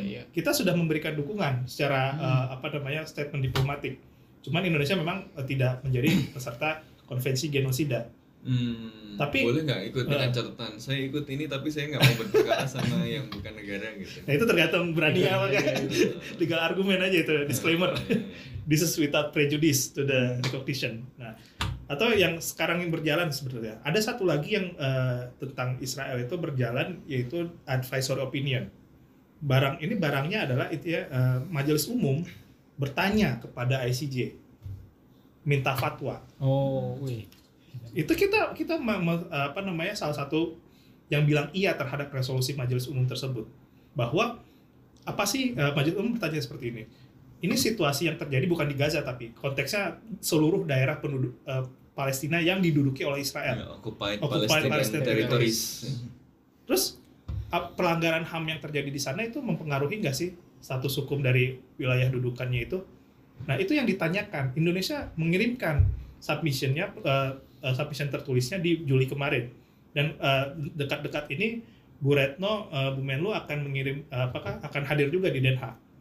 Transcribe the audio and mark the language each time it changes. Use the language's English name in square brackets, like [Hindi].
[Indonesian] Kita sudah memberikan dukungan secara statement diplomatik. Cuman Indonesia memang tidak menjadi peserta konvensi genosida. Tapi boleh nggak ikut dengan catatan saya ikut ini tapi saya nggak mau berperkara sama yang bukan negara gitu. Nah itu tergantung berani apa kan. Tinggal argumen aja itu disclaimer. [English] This is without prejudice to the recognition. [Indonesian] Nah atau yang sekarang yang berjalan sebenarnya ada satu lagi yang tentang Israel itu berjalan yaitu advisory opinion. Barangnya adalah itu ya majelis umum bertanya kepada ICJ minta fatwa. Itu kita salah satu yang bilang iya terhadap resolusi majelis umum tersebut bahwa apa sih majelis umum bertanya seperti ini situasi yang terjadi bukan di Gaza tapi konteksnya seluruh daerah penduduk Palestina yang diduduki oleh Israel [English] occupied Palestinian territories. [Indonesian] Terus pelanggaran HAM yang terjadi di sana itu mempengaruhi nggak sih status hukum dari wilayah dudukannya itu? Nah itu yang ditanyakan. Indonesia mengirimkan submissionnya submission tertulisnya di Juli kemarin dan dekat-dekat ini Bu Retno, Bu Menlu akan mengirim apakah akan hadir juga di Den Haag.